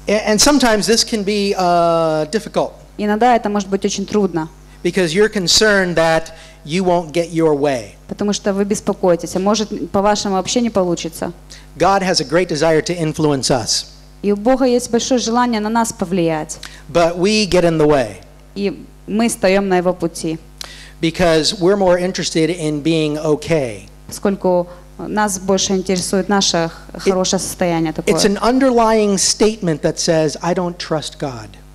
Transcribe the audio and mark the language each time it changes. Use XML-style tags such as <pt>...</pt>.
<en>And sometimes this can be difficult.</en> <ru>Иногда это может быть очень трудно.</ru> <en>Because you're concerned that you won't get your way.</en> <ru>Потому что вы беспокоитесь, а может по вашему вообще не получится.</ru> <en>God has a great desire to influence us.</en> <ru>И у Бога есть большое желание на нас повлиять.</ru> <en>But we get in the way.</en> <ru>И мы встаем на его пути.</ru> <en>Because we're more interested in being okay.</en> <ru>Поскольку нас больше интересует наше хорошее состояние такое.</ru> <en>It's an underlying statement that says I don't trust God.</en>